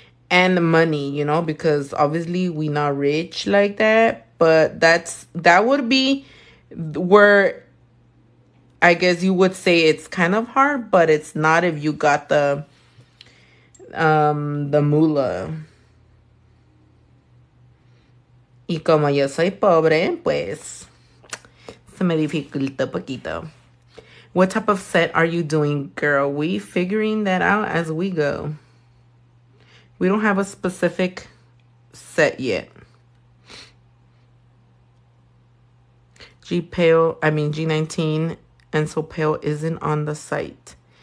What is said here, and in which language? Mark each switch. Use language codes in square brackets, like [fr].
[en] And money, you know, because obviously we not rich like that. But that would be where I guess you would say it's kind of hard, but it's not if you got the moolah. [es] Y como yo soy pobre, pues se me dificulta poquito. [en] What type of set are you doing, girl? We figuring that out as we go. We don't have a specific set yet. G19 and so pale isn't on the site.